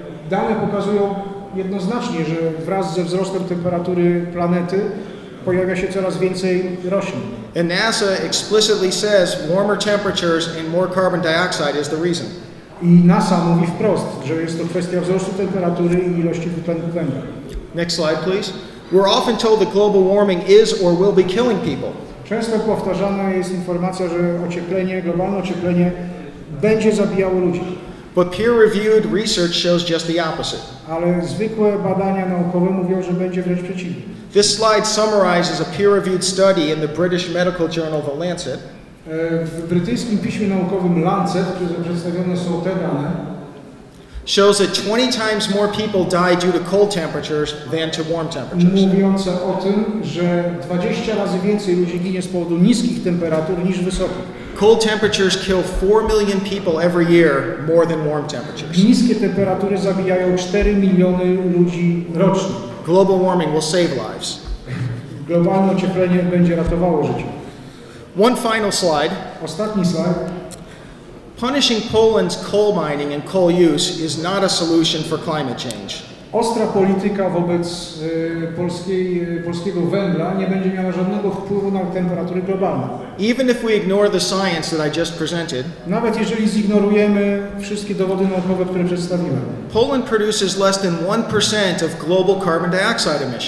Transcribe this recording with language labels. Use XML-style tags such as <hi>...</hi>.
<pl>Dane pokazują jednoznacznie, że wraz ze wzrostem temperatury planety pojawia się coraz więcej roślin.</pl> <en>And NASA explicitly says warmer temperatures and more carbon dioxide is the reason.</en> <pl>I NASA mówi wprost, że jest to kwestia wzrostu temperatury i ilości dwutlenku węgla.</pl> <en>Next slide, please. We're often told that global warming is or will be killing people.</en> <pl>Często powtarzana jest informacja, że ocieplenie, globalne ocieplenie będzie zabijało ludzi.</pl> <en>But peer-reviewed research shows just the opposite.</en> <pl>Ale zwykłe badania naukowe mówią, że będzie wręcz przeciwnie.</pl> <en>This slide summarizes a peer-reviewed study in the British medical journal The Lancet.</en> <pl>W brytyjskim piśmie naukowym Lancet, które przedstawione są te dane,</pl> <en>shows that 20 times more people die due to cold temperatures than to warm temperatures.</en> <pl>Mówiące o tym, że 20 razy więcej ludzi ginie z powodu niskich temperatur niż wysokich.</pl> <en>Cold temperatures kill 4 million people every year more than warm temperatures.</en> <pl>Niskie temperatury zabijają 4 miliony ludzi rocznie.</pl> <en>Global warming will save lives.</en> <pl>Globalne ocieplenie będzie ratowało życie.</pl> <en>One final slide.</en> <pl>Ostatni slajd.</pl> <en>Punishing Poland's coal mining and coal use is not a solution for climate change.</en> <pl>Ostra polityka wobec polskiego węgla nie będzie miała żadnego wpływu na temperatury globalne.</pl> <en>Even if we ignore the science that I just presented,</en> <pl>nawet jeżeli zignorujemy wszystkie dowody naukowe, które przedstawiłem,</pl> <en>Poland produces less than 1% of global carbon dioxide emissions.</en>